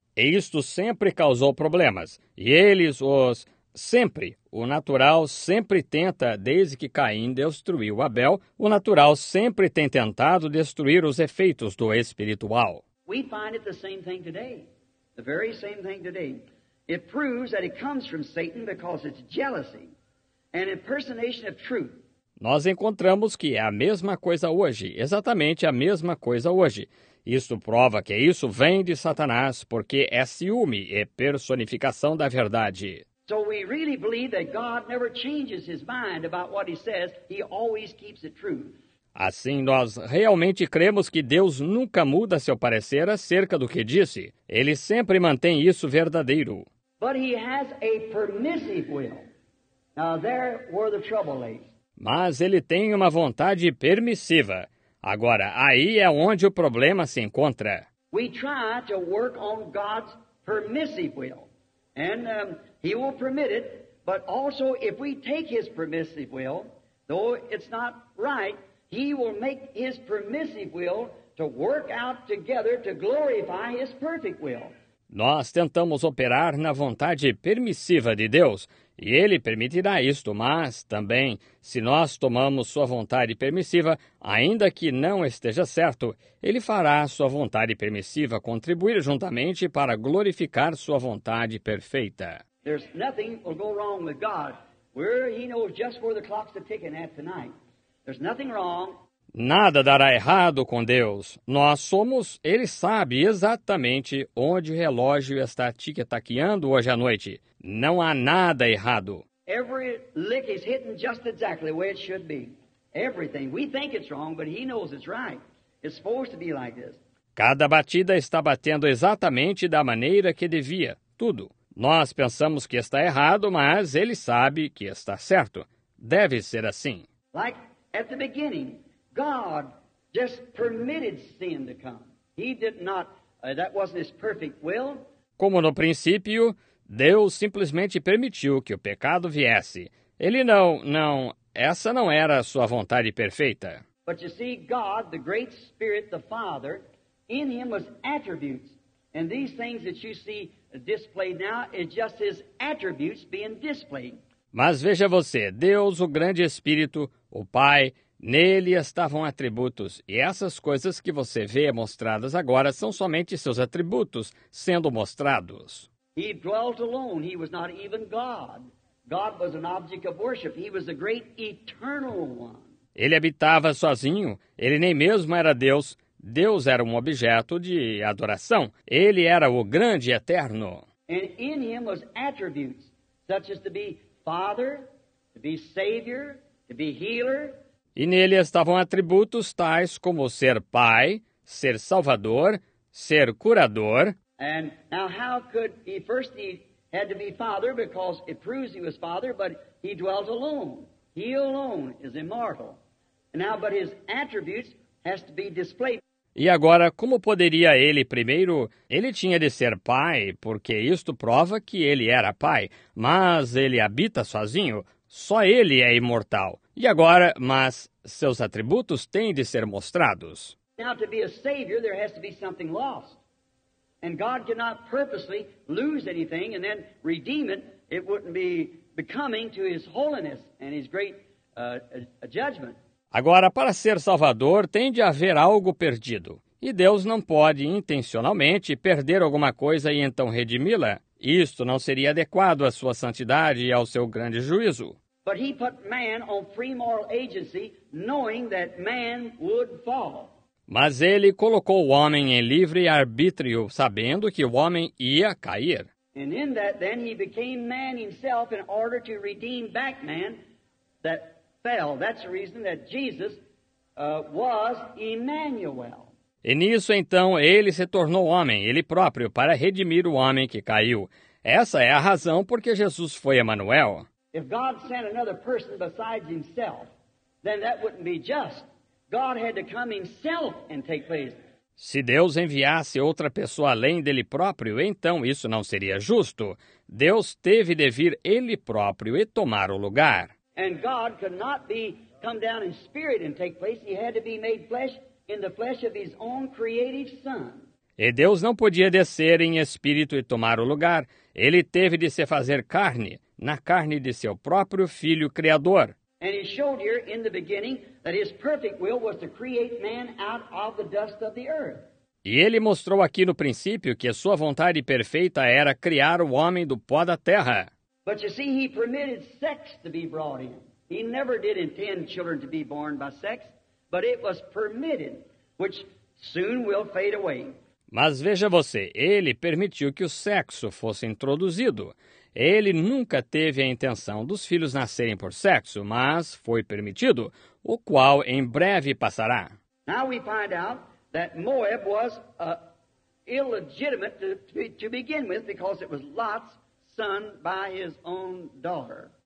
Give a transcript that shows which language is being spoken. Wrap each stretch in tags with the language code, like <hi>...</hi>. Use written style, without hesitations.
<pt>E isto sempre causou problemas, e eles os... Sempre, o natural sempre tenta, desde que Caim destruiu Abel, o natural sempre tem tentado destruir os efeitos do espiritual.</pt> <en>We find it the same thing today, the very same thing today. It proves that it comes from Satan because it's jealousy and impersonation of truth.</en> <pt>Nós encontramos que é a mesma coisa hoje, exatamente a mesma coisa hoje. Isto prova que isso vem de Satanás, porque é ciúme e personificação da verdade.</pt> <en>So we really believe that God never changes his mind about what he says. He always keeps it true.</en> <pt>Assim, nós realmente cremos que Deus nunca muda seu parecer acerca do que disse. Ele sempre mantém isso verdadeiro.</pt> <en>But he has a permissive will. Now there where the trouble lays.</en> <pt>Mas ele tem uma vontade permissiva. Agora, aí é onde o problema se encontra.</pt> <en>We try to work on God's permissive will. And he will permit it, but also if we take his permissive will, though it's not right, he will make his permissive will to work out together to glorify his perfect will.</en> <pt>Nós tentamos operar na vontade permissiva de Deus, e ele permitirá isto, mas também, se nós tomamos sua vontade permissiva, ainda que não esteja certo, ele fará sua vontade permissiva contribuir juntamente para glorificar sua vontade perfeita.</pt> <en>There's nothing will go wrong with God. Where he knows just where the clocks are ticking at tonight. There's nothing wrong.</en> <pt>Nada dará errado com Deus. Nós somos, ele sabe exatamente onde o relógio está tique-taqueando hoje à noite. Não há nada errado.</pt> <en>Every lick is hitting just exactly where it should be. Everything. We think it's wrong, but he knows it's right. It's supposed to be like this.</en> <pt>Cada batida está batendo exatamente da maneira que devia. Tudo. Nós pensamos que está errado, mas ele sabe que está certo. Deve ser assim.</pt> <en>Like at the beginning, God just permitted sin to come. He did not, that wasn't his perfect will.</en> <pt>Como no princípio, Deus simplesmente permitiu que o pecado viesse. Ele não, essa não era a sua vontade perfeita.</pt> <en>But you see, God, the great spirit, the Father, in him was attributes. And these things that you see displayed now is just his attributes being displayed.</en> <pt>Mas veja você, Deus, o grande Espírito, o Pai, nele estavam atributos, e essas coisas que você vê mostradas agora são somente seus atributos sendo mostrados.</pt> <en>He dwelt alone, he was not even God. God was an object of worship, he was the great eternal one.</en> <pt>Ele habitava sozinho, ele nem mesmo era Deus. Deus era um objeto de adoração. Ele era o grande eterno.</pt> <en>And in him was attributes, such as to be Father, to be Savior, to be Healer.</en> <pt>E nele estavam atributos tais como ser Pai, ser Salvador, ser Curador.</pt> <en>And now how could he, first he had to be Father, because it proves he was Father, but he dwelt alone. He alone is immortal. And now, but his attributes has to be displayed.</en> <pt>E agora, como poderia ele primeiro? Ele tinha de ser Pai, porque isto prova que ele era Pai. Mas ele habita sozinho. Só ele é imortal. E agora, mas seus atributos têm de ser mostrados.</pt> <en>Now, to be a savior, there has to be something lost. And God cannot purposely lose anything and then redeem it. It wouldn't be becoming to His holiness and His great judgment.</en> <pt>Agora, para ser salvador, tem de haver algo perdido. E Deus não pode, intencionalmente, perder alguma coisa e então redimi-la. Isto não seria adequado à sua santidade e ao seu grande juízo.</pt> <en>But he put man on free moral agency, knowing that man would fall.</en> <pt>Mas ele colocou o homem em livre arbítrio, sabendo que o homem ia cair.</pt> <en>And in that, then he became man himself in order to redeem back man that fell. That's the reason that Jesus was Emmanuel.</en> <pt>E nisso, então, ele se tornou homem, ele próprio, para redimir o homem que caiu. Essa é a razão porque Jesus foi Emmanuel.</pt> <en>If God sent another person besides himself, then that wouldn't be just. God had to come himself and take place.</en> <pt>Se Deus enviasse outra pessoa além dele próprio, então isso não seria justo. Deus teve de vir ele próprio e tomar o lugar.</pt> <en>And God could not be come down in spirit and take place. He had to be made flesh in the flesh of his own creative son.</en> <pt>E Deus não podia descer em espírito e tomar o lugar. Ele teve de se fazer carne, na carne de seu próprio Filho Criador.</pt> <en>And he showed here in the beginning that his perfect will was to create man out of the dust of the earth.</en> <pt>E ele mostrou aqui no princípio que sua vontade perfeita era criar o homem do pó da terra.</pt> <en>But you see, he permitted sex to be brought in. He never did intend children to be born by sex, but it was permitted, which soon will fade away.</en> <pt>Mas veja você, ele permitiu que o sexo fosse introduzido. Ele nunca teve a intenção dos filhos nascerem por sexo, mas foi permitido, o qual em breve passará.</pt> <en>Now we find out that Moab was illegitimate to begin with because it was Lot's son by his own daughter.</en>